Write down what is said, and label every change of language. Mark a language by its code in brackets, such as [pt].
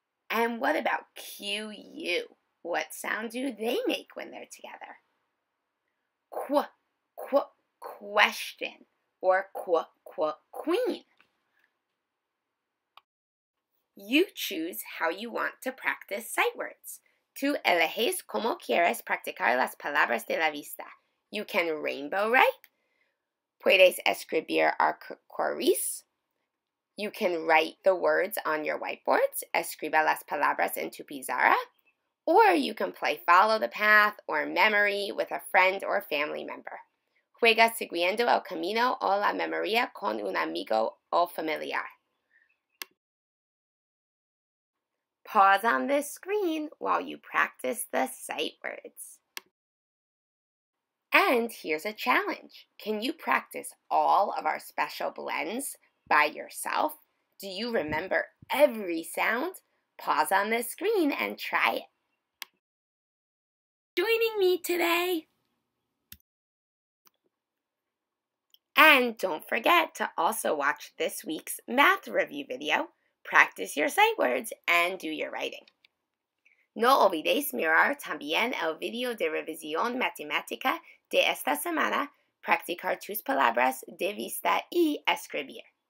[en] And what about QU? What sound do they make when they're together? Qu, qu, question, or qu, qu, queen. You choose how you want to practice sight words. [es] Tú eliges cómo quieres practicar las palabras de la vista. [en] You can rainbow write. [es] Puedes escribir arcoíris. [en] You can write the words on your whiteboards. [es] Escriba las palabras en tu pizarra. [en] Or you can play follow the path or memory with a friend or family member. [es] Juega siguiendo el camino o la memoria con un amigo o familiar. [en] Pause on the screen while you practice the sight words. And here's a challenge. Can you practice all of our special blends by yourself? Do you remember every sound? Pause on the screen and try it. Joining me today. And don't forget to also watch this week's math review video, practice your sight words, and do your writing. [es] No olvides mirar también el video de revisión matemática de esta semana, practicar tus palabras de vista y escribir.